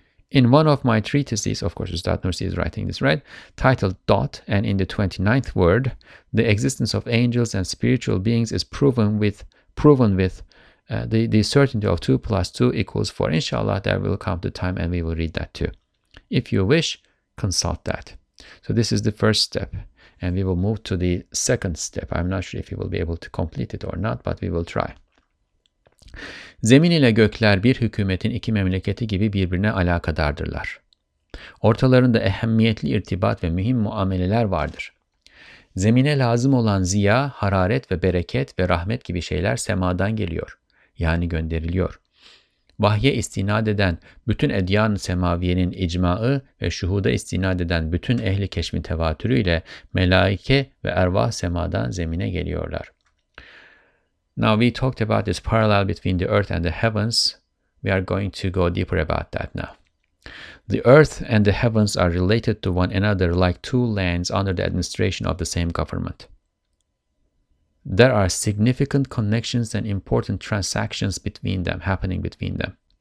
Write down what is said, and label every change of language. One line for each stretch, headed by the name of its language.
English: In one of my treatises, of course, Ustad Nursi is writing this, right? Titled Dot, and in the 29th word, the existence of angels and spiritual beings is proven with the certainty of 2 plus 2 equals 4. Inshallah, there will come the time and we will read that too. If you wish, consult that. So this is the first step, and we will move to the second step. I'm not sure if you will be able to complete it or not, but we will try.
Turkish: Zemin ile gökler bir hükümetin iki memleketi gibi birbirine alakadardırlar. Ortalarında ehemmiyetli irtibat ve mühim muameleler vardır. Zemine lazım olan ziya, hararet ve bereket ve rahmet gibi şeyler semadan geliyor, yani gönderiliyor. Vahye istinad eden bütün edyan semaviyenin icma'ı ve şuhuda istinad eden bütün ehli keşmin tevatürüyle melaike ve ervah semadan zemine geliyorlar.
English: Now we talked about this parallel between the earth and the heavens. We are going to go deeper about that now. The earth and the heavens are related to one another like two lands under the administration of the same government. There are significant connections and important transactions between them, happening between them.